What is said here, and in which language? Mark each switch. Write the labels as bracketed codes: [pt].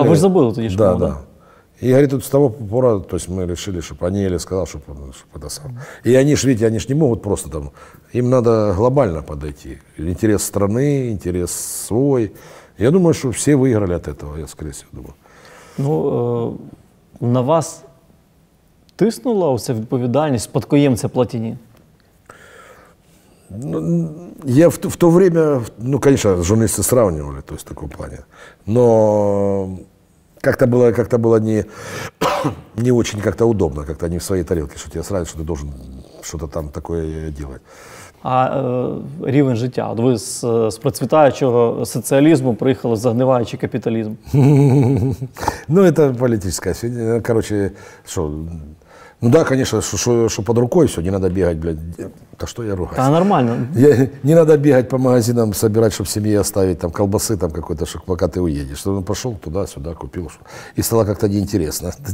[ru] А вы же забыли, то есть, да, да. И говорит, вот с того пора, то есть мы решили, чтобы они или сказал, чтобы это сам. И они же, видите, они же не могут просто там, им надо глобально подойти. Интерес страны, интерес свой. Я думаю, что все выиграли от этого, я скорее всего думаю. [uk] Ну, на вас тиснула вся відповідальність спадкоємця Платіні? [ru] Ну, я в то время, ну, конечно, журналисты сравнивали, то есть, в таком плане. Но как-то было не очень как-то удобно, как-то не в своей тарелке, что тебе сразу, что ты должен что-то там такое делать. [uk] А рівень життя? От ви з процвітаючого соціалізму приїхали в загниваючий капіталізм. [ru] Ну, это политическая сфера. Короче, что... Ну да, конечно, что под рукой все, не надо бегать, блядь. Да что я ругаюсь? Да нормально. Не надо бегать по магазинам, собирать, чтобы семье оставить там колбасы там какой-то, чтобы пока ты уедешь. Чтобы он пошел туда-сюда, купил. И стало как-то неинтересно.